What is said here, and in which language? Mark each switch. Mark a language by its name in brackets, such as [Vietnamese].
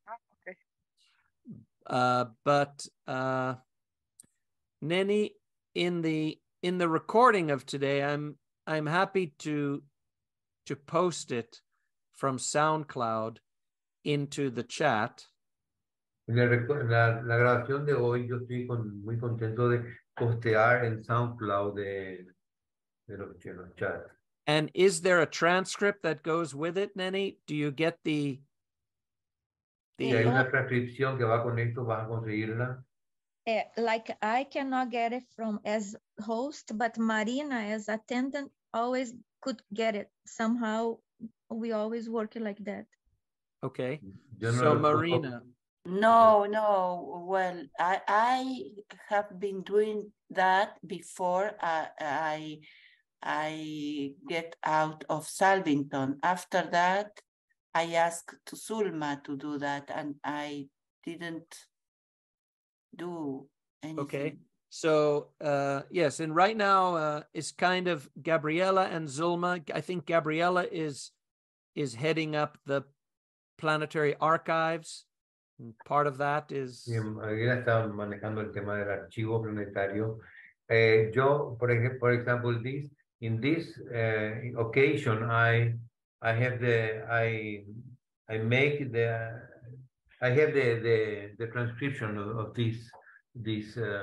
[English] Oh, okay. But Neni, in the recording of today, I'm happy to post it from SoundCloud into the chat. [Spanish] La grabación de hoy, yo estoy muy contento de postear en SoundCloud de los chats. [English] And is there a transcript that goes with it, Neni? Do you get the? [Spanish] Si hay una transcripción que va con esto, ¿vas a conseguirla? [English] Like I cannot get it from as host, but Marina as attendant always could get it. Somehow we always work like that. Okay. So Marina. No. Well, I have been doing that before I get out of Salvington. After that, I asked to Zulma to do that, and I didn't do anything. Okay. So yes, and right now it's kind of Gabriela and Zulma. I think Gabriela is heading up the Planetary Archives. And part of that is. [Spanish] Gabriela está manejando el tema del archivo planetario. Yo, por ejemplo, this. [English] In this occasion, I have the transcription of this